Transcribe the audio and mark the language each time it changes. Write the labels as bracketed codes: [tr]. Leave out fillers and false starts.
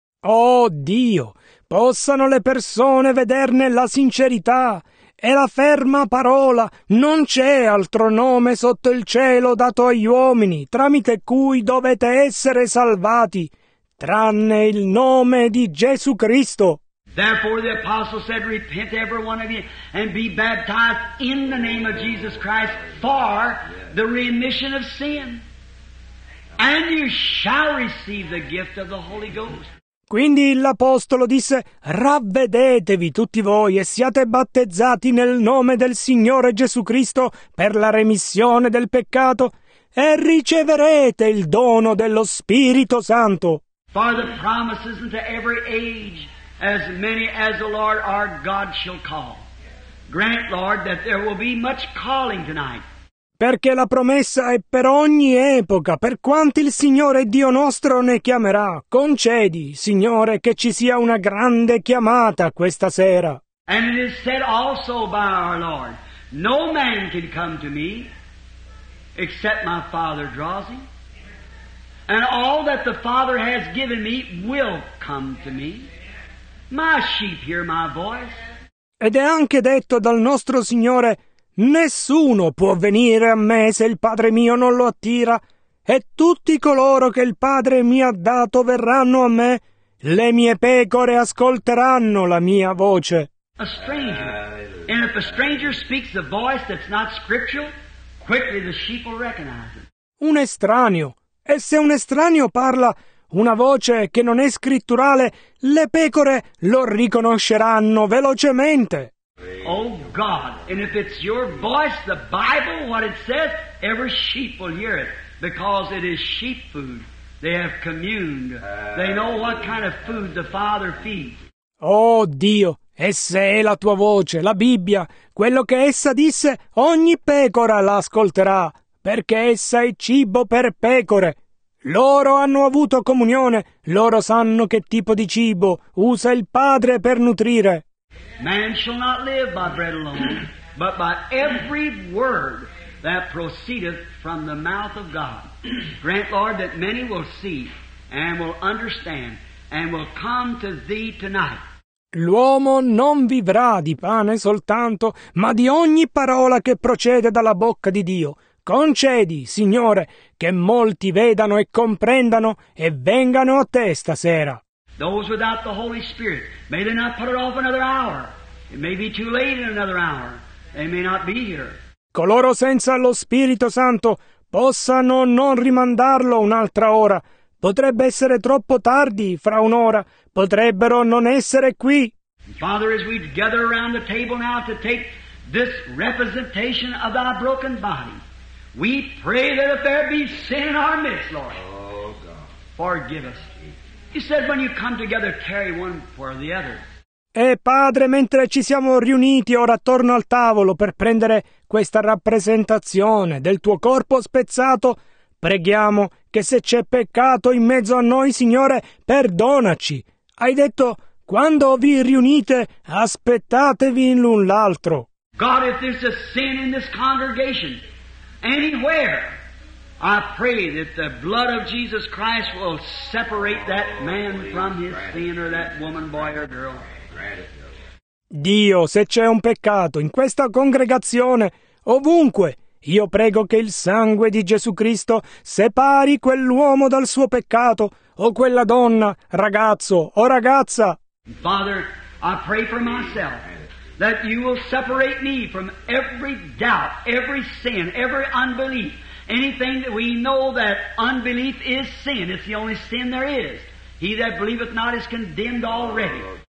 [it] Oh Dio, possano le persone vederne la sincerità e la ferma parola, non c'è altro nome sotto il cielo dato agli uomini, tramite cui dovete essere salvati, tranne il nome di Gesù Cristo. [en] Therefore the apostle said, repent every one of you and be baptized in the name of Jesus Christ for the remission of sin, and you shall receive the gift of the Holy Ghost. [it] Quindi l'apostolo disse, ravvedetevi tutti voi e siate battezzati nel nome del Signore Gesù Cristo per la remissione del peccato e riceverete il dono dello Spirito Santo. [en] For the promises unto every age, as many as the Lord our God shall call. Grant, Lord, that there will be much calling tonight. [it] Perché la promessa è per ogni epoca, per quanti il Signore Dio nostro ne chiamerà. Concedi, Signore, che ci sia una grande chiamata questa sera. [en] And it is said also by our Lord, no man can come to me except my Father draws him. And all that the Father has given me will come to me. My sheep hear my voice. [it] Ed è anche detto dal nostro Signore, nessuno può venire a me se il Padre mio non lo attira, e tutti coloro che il Padre mi ha dato verranno a me, le mie pecore ascolteranno la mia voce. [en] A stranger. And if a stranger speaks a voice that's not scriptural, quickly the sheep will recognize it. [it] Un estraneo. E se un estraneo parla una voce che non è scritturale, le pecore lo riconosceranno velocemente. [en] Oh God, and if it's your voice, the Bible, what it says, every sheep will hear it, because it is sheep food. They have communed. They know what kind of food the Father feeds. [it] Oh Dio, e se è la tua voce, la Bibbia, quello che essa disse, ogni pecora l'ascolterà, perché essa è cibo per pecore. Loro hanno avuto comunione, loro sanno che tipo di cibo usa il Padre per nutrire. [en] Man shall not live by bread alone, but by every word that proceedeth from the mouth of God. Grant, Lord, that many will see and will understand and will come to thee tonight. [it] L'uomo non vivrà di pane soltanto, ma di ogni parola che procede dalla bocca di Dio. Concedi, Signore, che molti vedano e comprendano e vengano a te stasera. [en] Those without the Holy Spirit, may they not put it off another hour. It may be too late in another hour. They may not be here. [it] Coloro senza lo Spirito Santo possano non rimandarlo un'altra ora. Potrebbe essere troppo tardi fra un'ora. Potrebbero non essere qui. [en] Father, as we gather around the table now to take this representation of thy broken body, we pray that if there be sin in our midst, Lord, oh God, forgive us. You said when you come together, carry one for the other. [it] E Padre, mentre ci siamo riuniti ora attorno al tavolo per prendere questa rappresentazione del tuo corpo spezzato, preghiamo che se c'è peccato in mezzo a noi, Signore, perdonaci. Hai detto, quando vi riunite, aspettatevi l'un l'altro. [en] God, if there's a sin in this congregation, anywhere, I pray that the blood of Jesus Christ will separate that man from his sin, or that woman, boy, or girl. [it] Dio, se c'è un peccato in questa congregazione, ovunque, io prego che il sangue di Gesù Cristo separi quell'uomo dal suo peccato, o quella donna, ragazzo o ragazza. [en] Father, I pray for myself, that you will separate me from every doubt, every sin, every unbelief, anything that we know that unbelief is sin. It's the only sin there is. He that believeth not is condemned already.